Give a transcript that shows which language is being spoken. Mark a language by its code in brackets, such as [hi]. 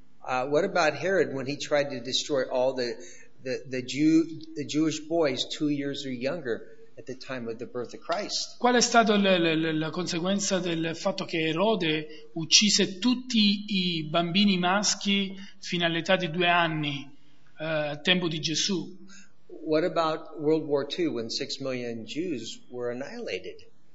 [en] What about Herod when he tried to destroy all the Jewish boys 2 years or younger at the time of the birth of Christ? [it] Qual è stata la conseguenza del fatto che Erode uccise tutti i bambini maschi fino all'età di 2 anni, tempo di Gesù? [en] What about World War II when 6 million Jews were annihilated?